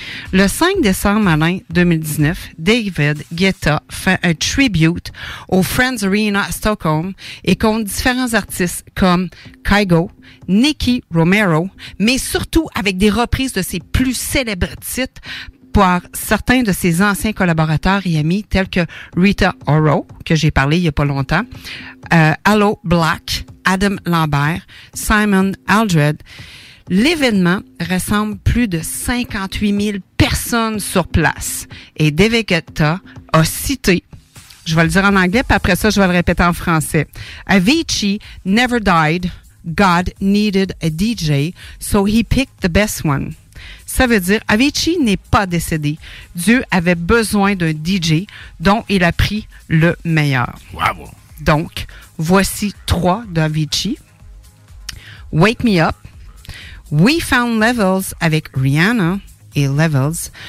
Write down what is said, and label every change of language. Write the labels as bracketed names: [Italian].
[French] Le 5 décembre 2019, David Guetta fait un tribute au Friends Arena à Stockholm et compte différents artistes comme Kygo, Nicky Romero, mais surtout avec des reprises de ses plus célèbres titres par certains de ses anciens collaborateurs et amis tels que Rita Ora, que j'ai parlé il n'y a pas longtemps, Allo Black, Adam Lambert, Simon Aldred. L'événement rassemble plus de 58 000 personnes sur place. Et David Guetta a cité, je vais le dire en anglais, puis après ça, je vais le répéter en français. [English] Avicii never died. God needed a DJ, so he picked the best one. [French] Ça veut dire, Avicii n'est pas décédé. Dieu avait besoin d'un DJ dont il a pris le meilleur. Wow! Donc, voici trois d'Avicii. Wake Me Up. We Found Levels avec Rihanna et Levels.